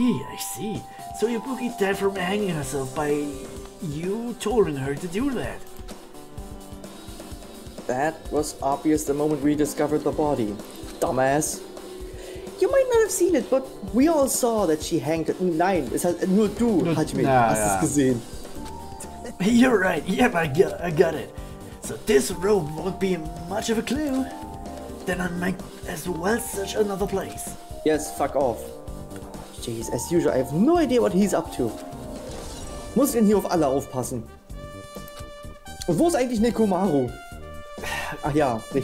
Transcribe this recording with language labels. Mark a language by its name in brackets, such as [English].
[English] I see. So Ibuki died from hanging herself by you telling her to do that. That was obvious the moment we discovered the body, dumbass. You might not have seen it, but we all saw that she hanged. [German] Nein, es hat nur du, Hajime, hast es gesehen. [English] You're right. Yep, I got it. So this rope won't be much of a clue. Then I might as well search another place. Yes, fuck off. Jeez, as usual, I have no idea what he's up to. [German] Muss denn hier auf alle aufpassen. Und wo ist eigentlich Nekomaru? Ach ja, richtig.